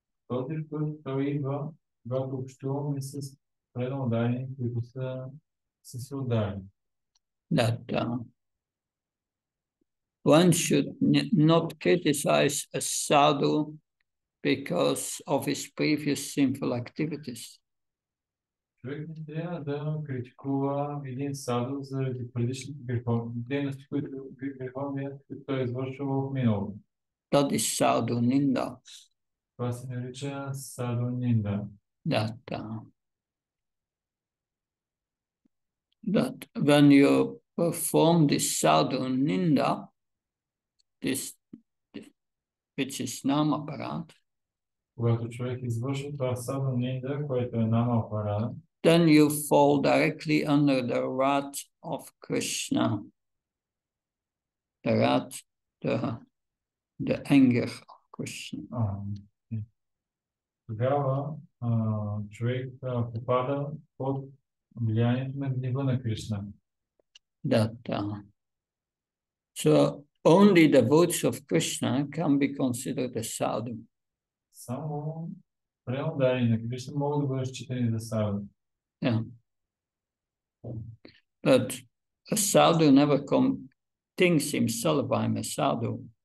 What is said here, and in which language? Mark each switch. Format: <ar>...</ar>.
<en>That one should not criticize a sadhu because of his previous sinful activities.</en> <bg>Човек не трябва да критикува един садо заради предишните греховни дейности, които той извършва в миналото.</bg> <en>That is sadhu ninda.</en> <bg>Това се нарича садо нинда.</bg> <en>That, that when you perform this sadhu ninda, this which is nama parad,</en> <bg>когато човек извършва това садо нинда, което е нама парад,</bg> <en>then you fall directly under the wrath of Krishna, the wrath, the anger of Krishna.</en> <bg>Тогава човек попада под влиянието на гнева на Кришна.</bg> <en>That, so only the votes of Krishna can be considered as sadhu.</en> <bg>Само преодари на Кришна могат да бъдат считани за сауди.</bg> <en>Yeah. But a sadhu never thinks himself I'm a sadhu.</en>